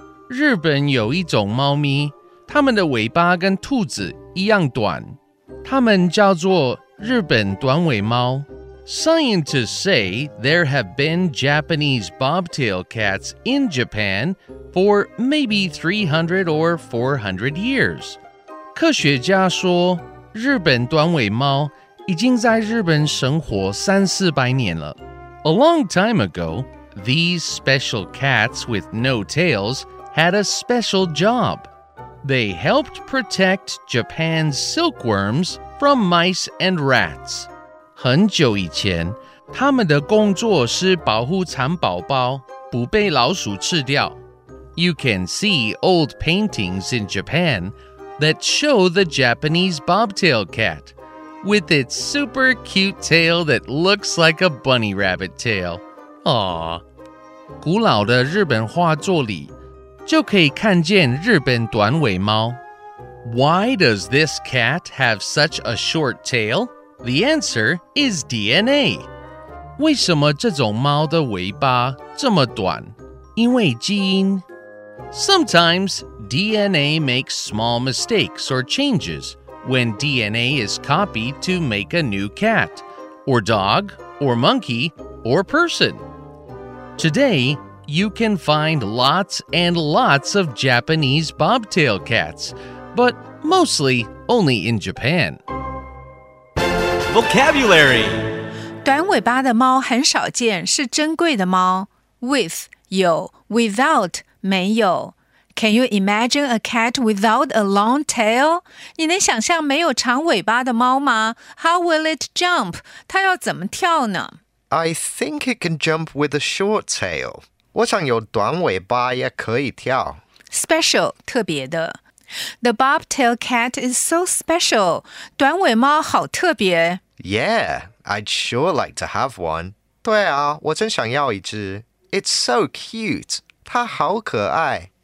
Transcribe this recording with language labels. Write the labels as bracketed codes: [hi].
[zh] 日本有一种猫咪，它们的尾巴跟兔子一样短，它们叫做日本短尾猫。 [en] Scientists say there have been Japanese bobtail cats in Japan for maybe 300 or 400 years. [zh] 科学家说，日本短尾猫已经在日本生活三四百年了。 [en] A long time ago, these special cats with no tails had a special job. They helped protect Japan's silkworms from mice and rats. [zh] 很久以前，他们的工作是保护蠶宝宝不被老鼠吃掉。 [en] You can see old paintings in Japan that show the Japanese bobtail cat with its super cute tail that looks like a bunny rabbit tail. Aww. [zh] 古老的日本画作里就可以看见日本短尾猫。 [en] Why does this cat have such a short tail? The answer is DNA. [zh] 为什么这种猫的尾巴这么短？因为基因。 [en] Sometimes DNA makes small mistakes or changes when DNA is copied to make a new cat, or dog, or monkey, or person. Today, you can find lots and lots of Japanese bobtail cats, but mostly only in Japan. Vocabulary. [zh] 短尾巴的猫很少见，是珍贵的猫。 [en] With 有 ，without 没有。Can you imagine a cat without a long tail? [zh] 你能想象没有长尾巴的猫吗 ？ [en] How will it jump? [zh] 它要怎么跳呢 [en] ？I think it can jump with a short tail. [zh] 我想有短尾巴也可以跳。 [en] Special [zh] 特别的。 [en] The bobtail cat is so special. [zh] 短尾猫好特别。 [en] Yeah, I'd sure like to have one. [zh] 对啊，我真想要一只。 [en] It's so cute. [zh] 它好可爱。